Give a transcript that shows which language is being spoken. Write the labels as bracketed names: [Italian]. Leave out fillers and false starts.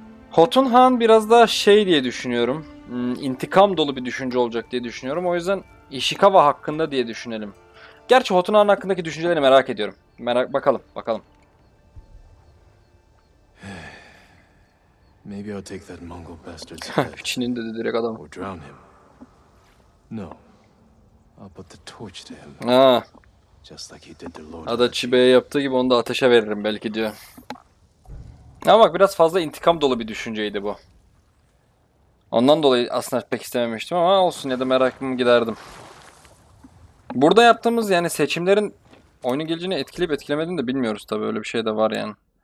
[Turkish] Hotun Han biraz daha şey diye düşünüyorum. İntikam dolu bir düşünce olacak diye düşünüyorum. O yüzden Ishikawa hakkında diye düşünelim. Gerçi Hotun Han hakkındaki düşünceleri merak ediyorum. Merak bakalım. [English] Maybe I'll take that Mongol bastard's head. [Turkish] Dedi direkt adam. [English] Or drown him. No. I'll put the torch to him. Ah. Just like he did the Lord. [Turkish] Ada Çibe'ye yaptığı gibi onu da ateşe veririm belki diyor. Ama bak biraz fazla intikam dolu bir düşünceydi bu. Ondan dolayı aslında pek istememiştim ama olsun ya da merakımı giderdim. Burada yaptığımız yani seçimlerin oyunu geleceğini etkileyip etkilemediğini de bilmiyoruz tabii. Öyle bir şey de var yani.